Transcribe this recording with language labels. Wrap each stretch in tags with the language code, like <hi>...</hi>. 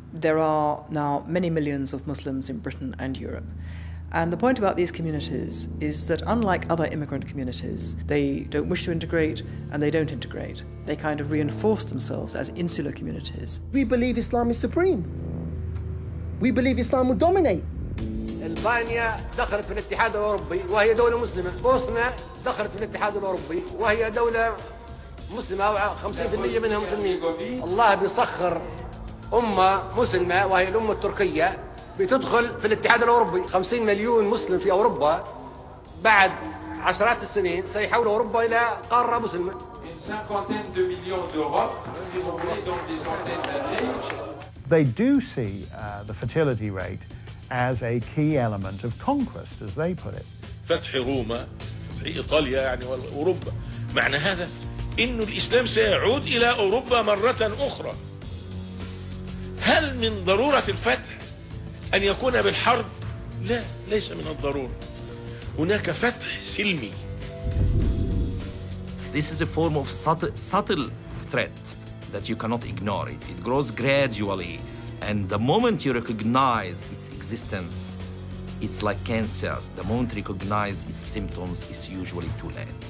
<en>There are now many millions of Muslims in Britain and Europe. And the point about these communities is that, unlike other immigrant communities, they don't wish to integrate and they don't integrate. They kind of reinforce themselves as insular communities. We believe Islam is supreme. We believe Islam will dominate.</en> <ar>البانيا دخلت في الاتحاد الأوروبي وهي دولة مسلمة. بوسنا دخلت في الاتحاد الأوروبي وهي دولة مسلمة أو 50% منها مسلمين. الله بيصخر أمة مسلمة وهي الأمة التركية بتدخل في الاتحاد الأوروبي. 50 مليون مسلم في أوروبا بعد عشرات السنين سيحول أوروبا إلى قارة مسلمة.</ar> <en>They do see the fertility rate as a key element of conquest, as they put it.</en> <ar>فتح روما في إيطاليا يعني والأوروبا معنى هذا إن الإسلام سيعود إلى أوروبا مرة أخرى. هل من ضرورة الفتح أن يكون بالحرب؟ لا، ليس من الضرورة. هناك فتح سلمي.</ar> <en>This is a form of subtle threat that you cannot ignore. It grows gradually. And the moment you recognize its existence, it's like cancer. The moment you recognize its symptoms, it's usually too late.</en>